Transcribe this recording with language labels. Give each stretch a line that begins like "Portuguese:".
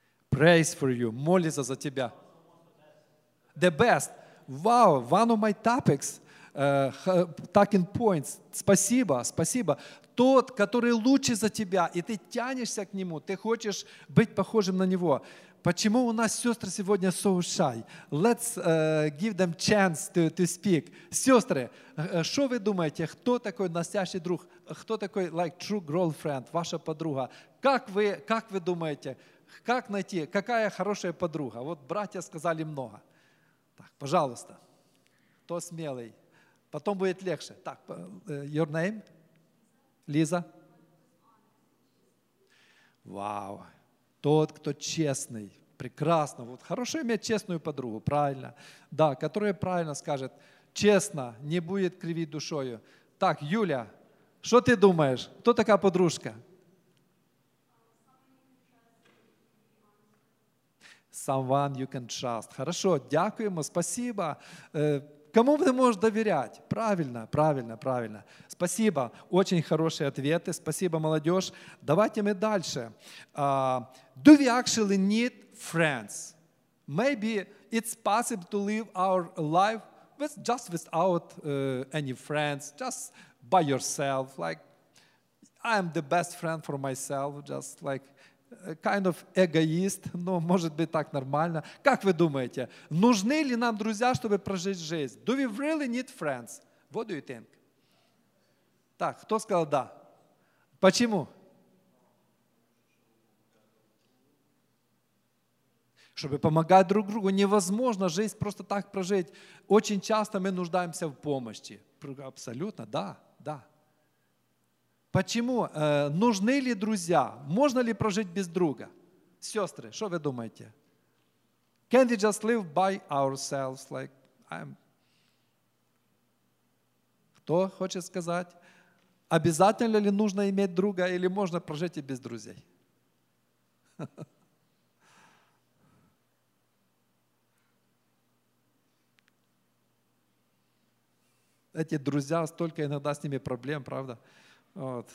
English: Praise for you.
Russian: Молится за тебя.
English: The best. Wow. One of my topics. Talking points.
Russian: Спасибо, спасибо. Тот, который лучше за тебя, и ты тянешься к нему, ты хочешь быть похожим на него. Почему у нас сестры сегодня
English: so shy? Let's give them chance to speak.
Russian: Сестры, что вы думаете, кто такой настоящий друг? Кто такой
English: like true girlfriend,
Russian: ваша подруга? Как вы думаете, как найти, какая хорошая подруга? Вот братья сказали много. Так, пожалуйста, кто смелый? Потом будет легче. Так,
English: your name?
Russian: Лиза? Вау. Тот, кто честный, прекрасно. Вот хорошо иметь честную подругу, правильно. Да, которая правильно скажет, честно, не будет кривить душою. Так, Юля, что ты думаешь? Кто такая подружка?
English: Someone you can trust.
Russian: Хорошо,
Ukrainian: дякуємо,
Russian: спасибо. Кому ты можешь доверять? Правильно, правильно, правильно. Спасибо, очень хорошие ответы. Спасибо, молодежь. Давайте мы дальше.
English: Do we actually need friends? Maybe it's possible to live our life without any friends, just by yourself. Like, I am the best friend for myself, just like a kind of egoist.
Russian: Но может быть так нормально. Как вы думаете, нужны ли нам друзья, чтобы прожить жизнь?
English: Do we really need friends? What do you think?
Russian: Так, кто сказал да? Почему? Чтобы помогать друг другу. Невозможно жизнь просто так прожить. Очень часто мы нуждаемся в помощи. Абсолютно, да, да. Почему? Нужны ли друзья? Можно ли прожить без друга? Сестры, что вы думаете?
English: Can we just live by ourselves?
Russian: Кто хочет сказать? Обязательно ли нужно иметь друга или можно прожить и без друзей? Эти друзья, столько иногда с ними проблем, правда? Вот.